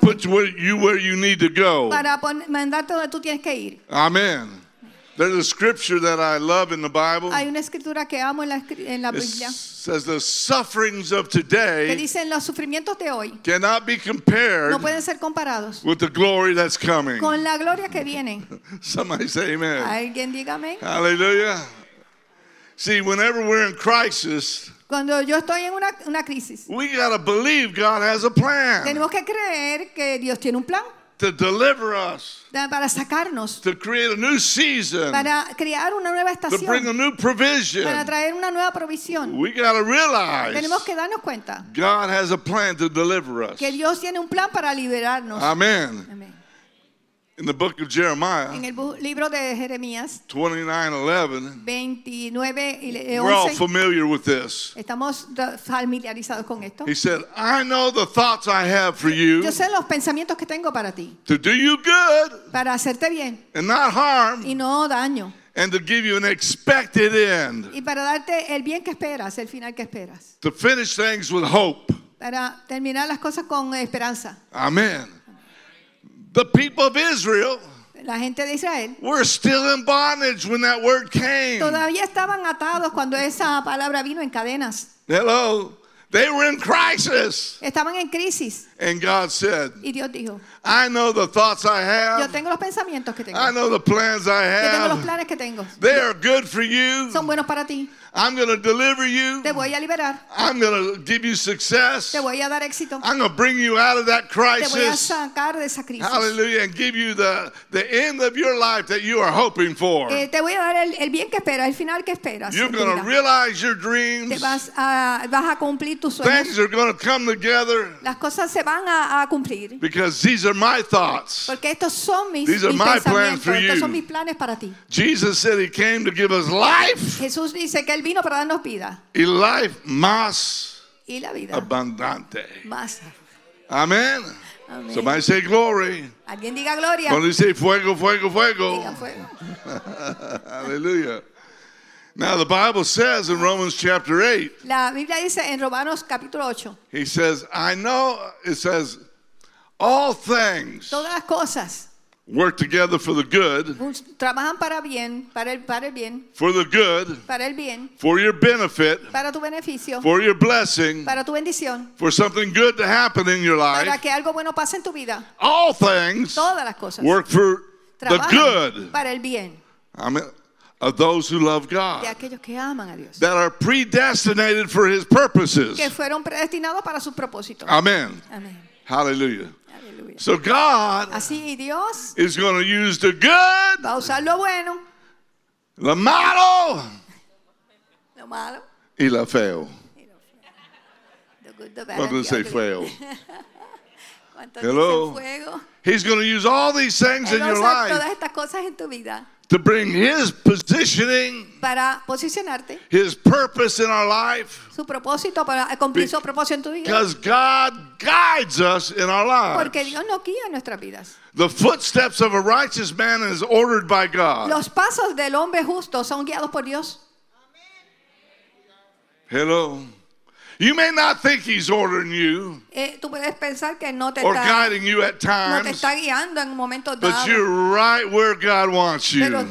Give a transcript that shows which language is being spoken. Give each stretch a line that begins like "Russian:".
English: to put you where you need to go.
Spanish: Para mandarte donde tú tienes que ir.
English: Amen. There's a scripture that I love in the Bible.
Spanish: Hay una escritura que amo en la Biblia.
English: It says the sufferings of today
Spanish: que dicen los sufrimientos de hoy
English: cannot be compared
Spanish: no pueden ser comparados
English: with the glory that's coming.
Spanish: Con la gloria que viene.
English: Somebody say amen.
Spanish: Alguien diga amén.
English: Hallelujah. See, whenever we're in crisis,
Spanish: cuando yo estoy en una crisis,
English: we gotta believe God has a plan.
Spanish: Tenemos que creer que Dios tiene un plan.
English: To deliver us.
Spanish: Para sacarnos.
English: To create a new season.
Spanish: Para crear una nueva estación.
English: To bring a new provision.
Spanish: Para traer una nueva provisión.
English: We gotta realize.
Spanish: Tenemos que darnos cuenta.
English: God has a plan to deliver us.
Spanish: Que Dios tiene un plan para liberarnos.
English: Amen. Amen. In the book of Jeremiah.
Spanish: En el libro de Jeremías.
English: 29:11. We're all familiar with this.
Spanish: Estamos familiarizados con esto.
English: He said, "I know the thoughts I have for you."
Spanish: Yo sé los pensamientos que tengo para ti.
English: To do you good.
Spanish: Para hacerte bien.
English: And not harm.
Spanish: Y no daño.
English: And to give you an expected end.
Spanish: Y para darte el bien que esperas, el final que esperas.
English: To finish things with hope.
Spanish: Para terminar las cosas con esperanza.
English: Amen. The people of Israel,
Spanish: la gente de Israel
English: were still in bondage when that word came.
Spanish: Todavía estaban atados cuando esa palabra vino en cadenas.
English: Hello. They were in crisis.
Spanish: Estaban en crisis.
English: And God said,
Spanish: y Dios dijo,
English: I know the thoughts I have.
Spanish: Yo tengo los pensamientos que tengo.
English: I know the plans I have.
Spanish: Yo tengo los planes que tengo.
English: They are good for you.
Spanish: Son buenos para ti.
English: I'm going to deliver you.
Spanish: Te voy a liberar.
English: I'm going to give you success.
Spanish: Te voy a dar éxito.
English: I'm going to bring you out of that crisis.
Spanish: Te voy a sacar de esa crisis.
English: Hallelujah. And give you the end of your life that you are hoping for.
Spanish: Te voy a dar el bien que esperas, el final que esperas.
English: You're going to realize your dreams.
Spanish: Te vas a cumplir tus sueños.
English: Things are going to come together.
Spanish: Las cosas se van a cumplir.
English: Because these are my thoughts.
Spanish: Porque estos son mis
English: these are my plans for you.
Spanish: Estos son mis planes para ti.
English: Jesus said he came to give us life.
Spanish: Jesús dice que vino para darnos vida. Y life más y la vida abundante. Más.
English: Amen. Somebody say glory.
Spanish: Alguien diga gloria. Cuando dice fuego, fuego, fuego. Diga fuego.
English: Hallelujah. Now the Bible says in Romans chapter 8.
Spanish: La Biblia dice en Romanos capítulo 8.
English: He says, I know, it says, all things.
Spanish: Todas las cosas.
English: Work together for the good.
Spanish: Trabajan para bien, para el bien.
English: For the good.
Spanish: Para el bien.
English: For your benefit.
Spanish: Para tu beneficio.
English: For your blessing.
Spanish: Para tu bendición.
English: For something good to happen in your life.
Spanish: Para que algo bueno pase en tu vida.
English: All things.
Spanish: Todas las cosas.
English: Work for the good.
Spanish: Para el bien.
English: Amen. Of those who love God.
Spanish: De aquellos que aman a Dios.
English: That are predestinated for His purposes.
Spanish: Que fueron predestinados para sus propósitos.
English: Amen.
Spanish: Amen.
English: Hallelujah. So God
Spanish: así, Dios
English: is going to use the good,
Spanish: va a usar lo bueno, lo malo, lo malo, y lo feo.
English: What does it say, fail? Hello? He's going to use all these things
Spanish: él
English: in your life
Spanish: todas estas cosas en tu vida
English: to bring His positioning,
Spanish: para posicionarte,
English: His purpose in our life,
Spanish: su propósito para cumplir su propósito en tu vida.
English: Because God guides us in our lives.
Spanish: Porque Dios nos guía en nuestras vidas.
English: The footsteps of a righteous man is ordered by God.
Spanish: Los pasos del hombre justo son guiados por Dios.
English: Hello. You may not think He's ordering you or guiding you at times, but you're right where God wants you.